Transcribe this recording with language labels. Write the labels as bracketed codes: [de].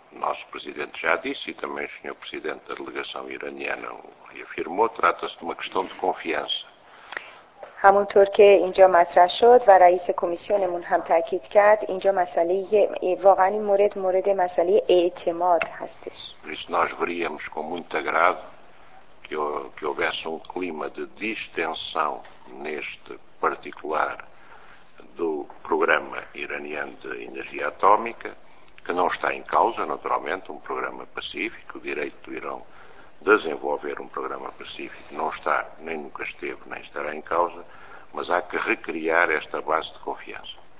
[pt] Nosso presidente já disse e também o senhor presidente da delegação iraniana reafirmou, trata-se de uma questão de confiança. [fa] همونطور که اینجا مطرح شد و رئیس کمیسیونمون هم تاکید کرد اینجا مسئله واقعا این مورد مسئله اعتماد هستش. [pt] Por isso nós veríamos com muito agrado que houvesse um clima de distensão neste particular do programa iraniano de energia atómica. Que não está em causa, naturalmente, um programa pacífico, o direito do Irão desenvolver um programa pacífico não está, nem nunca esteve, nem estará em causa, mas há que recriar esta base de confiança.